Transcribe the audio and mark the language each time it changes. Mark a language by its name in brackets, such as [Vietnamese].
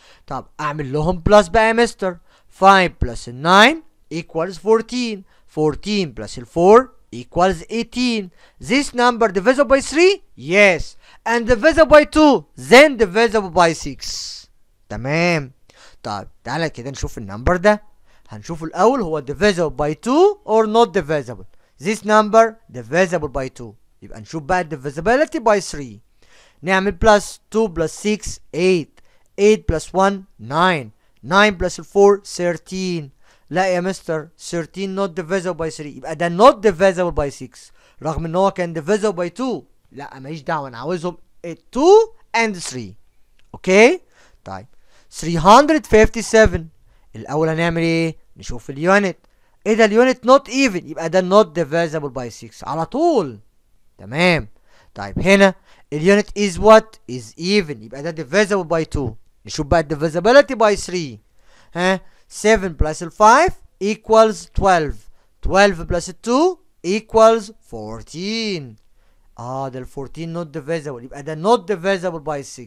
[Arabic] طب اعمل لهم بلس بقى يا مستر [English] 5 plus 9 equals 14 14 plus 4 equals 18 this number divisible by 3 yes and divisible by 2 then divisible by 6 [Arabic] تمام طب تعالى كده نشوف النمبر ده هنشوف الاول هو [English] divisible by 2 or not divisible This number divisible by 2. [Arabic] يبقى نشوف بقى divisibility by 3. [English] نعمل plus 2 plus 6 8. 8 plus 1 9. 9 plus 4 13. [Arabic] لا يا مستر [English] 13 not divisible by 3. يبقى ده not divisible by 6. [Arabic] رغم ان هو كان [English] divisible by 2. [Arabic] لا ماليش دعوة انا عاوزهم 2 and 3. اوكي؟ طيب 357. الاول هنعمل ايه؟ نشوف اليونت. ايه ده اليونت [English] not even يبقى ده not divisible by 6 [Arabic] على طول تمام طيب هنا اليونت [English] is what is even يبقى ده divisible by 2 [Arabic] نشوف بقى [English] divisibility by 3 ها 7 plus 5 equals 12 12 plus 2 equals 14 ده ال 14 not divisible يبقى ده not divisible by